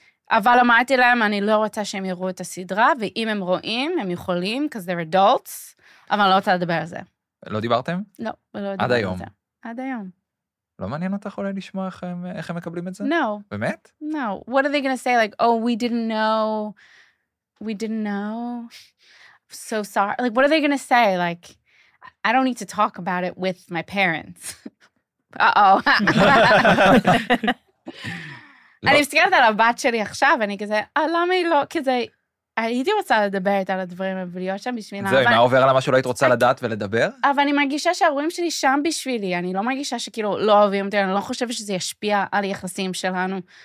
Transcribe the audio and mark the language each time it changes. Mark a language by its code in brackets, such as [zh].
[he] אבל אמרתי להם, אני לא רוצה שהם יראו את הסדרה, ואם הם רואים, הם יכולים, [en] because they're adults, [he] אבל אני לא רוצה לדבר על זה. לא דיברתם? לא, ולא דיברתם. עד היום? עד היום. לא מעניין אותך אולי לשמוע איך הם מקבלים את זה? לא. באמת? לא. [en] What are they going to say? Like, oh, we didn't know. We didn't know. So sorry. Like, what are they going to say? Like, I don't need to talk about it with my parents. Uh-oh. [he] אני מסתכלת על הבת שלי עכשיו, אני כזה, למה היא לא, כזה, הייתי רוצה לדבר איתה על הדברים, ולהיות שם בשבילה. זהו, מה עובר על מה שאולי את רוצה לדעת ולדבר? אבל אני מרגישה שההורים שלי שם בשבילי, אני לא מרגישה שכאילו לא אוהבים אותי, אני לא חושבת שזה ישפיע על יחסים שלנו.